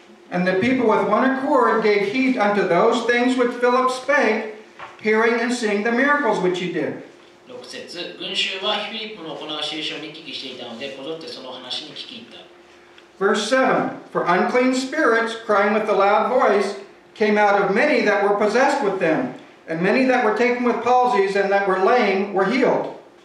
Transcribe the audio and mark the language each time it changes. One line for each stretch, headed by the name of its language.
English: And the people with one accord gave heed unto those things which Philip spake, hearing and seeing the miracles which he did.
Japanese: 6節、群衆はフィリップの行う印を見聞きしていたので、こぞってその話に聞き入った。
English: Verse 7, For unclean spirits, crying with a loud voice, came out of many that were possessed with them. And many that were taken with palsies and that were lame were healed.